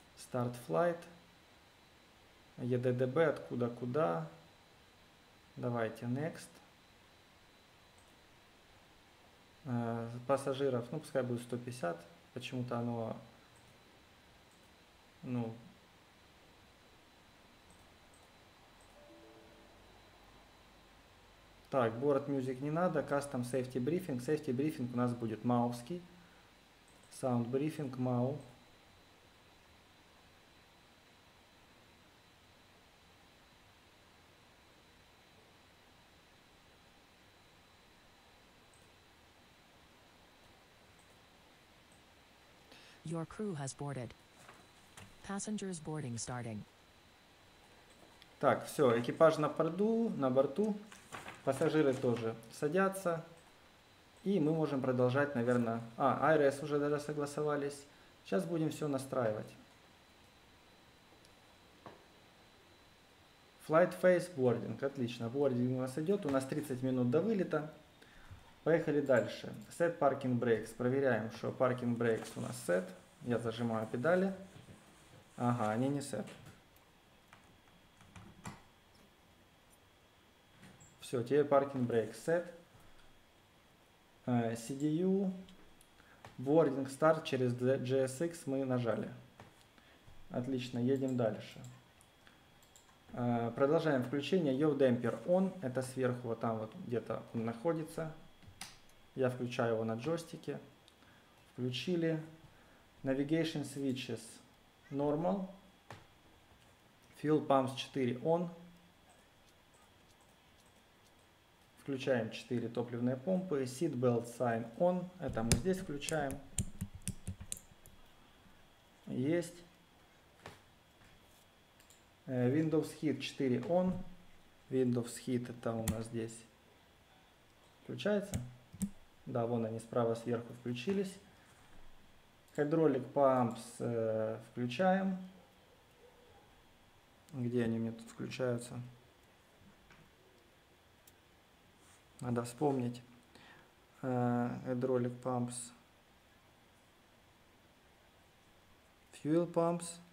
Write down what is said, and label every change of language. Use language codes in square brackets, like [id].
[ru] Start Flight, EDDB, откуда куда, давайте Next, пассажиров, ну пускай будет 150, почему-то оно, ну, так, board music не надо, [en] custom safety briefing. [ru] Safety briefing у нас будет маусский. [en] Sound briefing, мау. Your crew has boarded. Passengers boarding starting. [ru] Так, все, экипаж на борту. Пассажиры тоже садятся. И мы можем продолжать, наверное. А, IRS уже даже согласовались. Сейчас будем все настраивать. [en] Flight phase boarding. [ru] Отлично. Boarding у нас идет. У нас 30 минут до вылета. Поехали дальше. [en] Set parking brakes. [ru] Проверяем, что parking brakes у нас set. Я зажимаю педали. Ага, они не set. Все, тебе parking brake set. [en] CDU. [ru] Boarding start через JSX мы нажали. Отлично, едем дальше. Продолжаем включение. [en] Yaw damper on. [ru] Это сверху, вот там вот где-то он находится. Я включаю его на джойстике. Включили. [en] Navigation switches normal. Fuel pumps 4 on. [ru] Включаем 4 топливные помпы. [en] Seat belt sign on. [ru] Это мы здесь включаем. Есть. [en] Windows Heat 4 on. [ru] Windows Heat это у нас здесь включается. Да, вон они справа сверху включились. [en] Hydraulic Pumps включаем. [ru] Где они мне тут включаются? Надо вспомнить. Hydraulic Pumps. [en] Fuel Pumps.